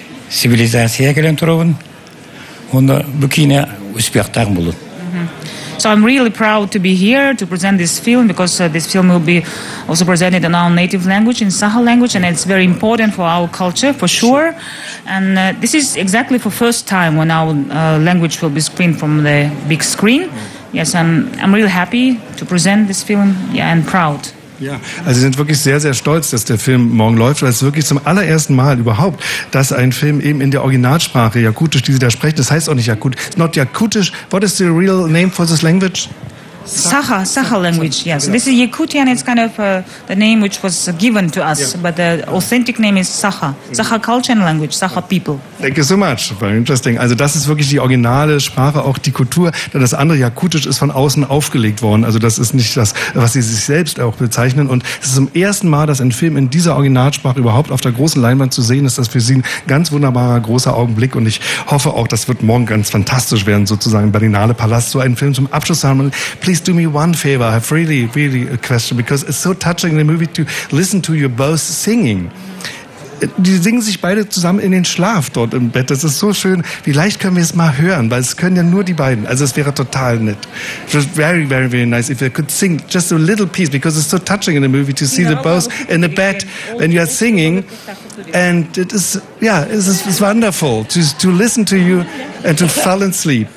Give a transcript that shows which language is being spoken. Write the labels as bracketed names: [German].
[English] Цивилизация келен тұрыбын, онда бүкіне успех тағым болын. So I'm really proud to be here to present this film because this film will be also presented in our native language, in Saha language, and it's very important for our culture, for sure. And this is exactly for first time when our language will be screened from the big screen. Yes, I'm really happy to present this film, yeah, and proud. [German] Ja, also Sie sind wirklich sehr, sehr stolz, dass der Film morgen läuft, weil es wirklich zum allerersten Mal überhaupt, dass ein Film eben in der Originalsprache, Jakutisch, die Sie da sprechen, das heißt auch nicht Jakut, it's not Jakutisch, what is the real name for this language? [English] Saha language, yes. Yeah. This is Yakutian, it's kind of the name which was given to us, yeah. But the authentic name is Saha. Saha culture and language, Saha people. Thank you so much, very interesting. [German] Also das ist wirklich die originale Sprache, auch die Kultur, denn das andere, Jakutisch, ist von außen aufgelegt worden. Also das ist nicht das, was Sie sich selbst auch bezeichnen. Und es ist zum ersten Mal, dass ein Film in dieser Originalsprache überhaupt auf der großen Leinwand zu sehen ist. Das ist für Sie ein ganz wunderbarer, großer Augenblick. Und ich hoffe auch, das wird morgen ganz fantastisch werden, sozusagen im Berlinale Palast, so einen Film zum Abschluss zu haben. [English] Please do me one favor, I have really, really a question, because it's so touching in the movie to listen to you both singing. [German] Die singen sich beide zusammen in den Schlaf dort im Bett, das ist so schön. Vielleicht können wir es mal hören, weil es können ja nur die beiden, also es wäre total nett. [English] It was very, very, very nice if you could sing just a little piece, because it's so touching in the movie to see the both in the bed when you are singing. And it is, yeah, it's wonderful to listen to you and to fall asleep.